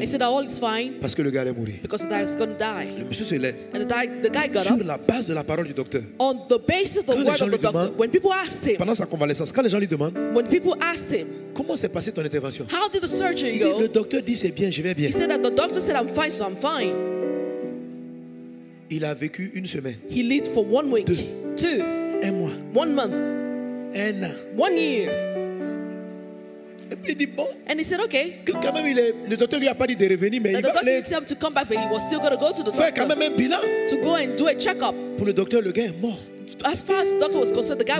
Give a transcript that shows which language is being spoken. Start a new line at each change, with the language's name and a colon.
English: He said all is fine.
French: Parce que le gars allait mourir.
English: Because the guy is going to die.
French: Le monsieur se lève.
English: And the guy got
French: sur
English: up.
French: Sur la base de la parole du docteur.
English: On the basis of the
French: quand
English: word of the doctor.
French: Demandent,
English: when people asked him.
French: Pendant sa convalescence, quand les gens lui demandent.
English: When people asked him.
French: Comment s'est passée ton intervention?
English: How did the surgery
French: il
English: go?
French: Dit, le docteur dit c'est bien, je vais bien.
English: He said that the doctor said I'm fine, so I'm fine.
French: Il a vécu une semaine.
English: He lived for 1 week.
French: Deux.
English: Two.
French: Un mois.
English: 1 month.
French: Un an.
English: 1 year.
French: Et puis il dit bon.
English: And he said okay.
French: Que quand même il est, le docteur lui a pas dit de revenir mais
English: the
French: il va aller.
English: The doctor didn't tell him to come back but he was still going to go to the doctor.
French: Faire quand même un bilan.
English: To go and do a checkup.
French: Pour le docteur le gars est mort.
English: As far as the doctor was concerned, the guy